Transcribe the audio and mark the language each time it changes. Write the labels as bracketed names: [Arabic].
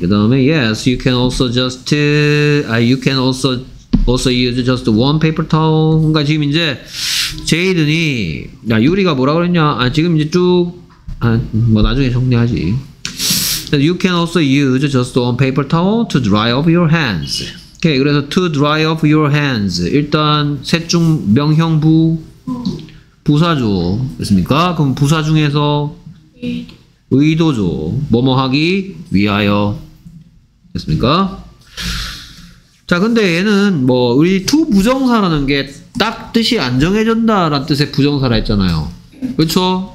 [Korean] 그 다음에 [English] yes, you can also just you can also use just one paper towel. [Korean] 그러니까 지금 이제 제이든이 야 유리가 뭐라 그랬냐? 아 지금 이제 쭉 아, 뭐 나중에 정리하지. [English] You can also use just one paper towel to dry off your hands. [Korean] 오케이. 그래서 [English] to dry off your hands. [Korean] 일단 셋중 명형부 부사죠. 됐습니까? 그럼 부사 중에서 의도죠. 뭐뭐 하기 위하여. 됐습니까? 자, 근데 얘는 뭐 우리 to 부정사라는 게 딱 뜻이 안 정해진다라는 뜻의 부정사라 했잖아요. 그렇죠?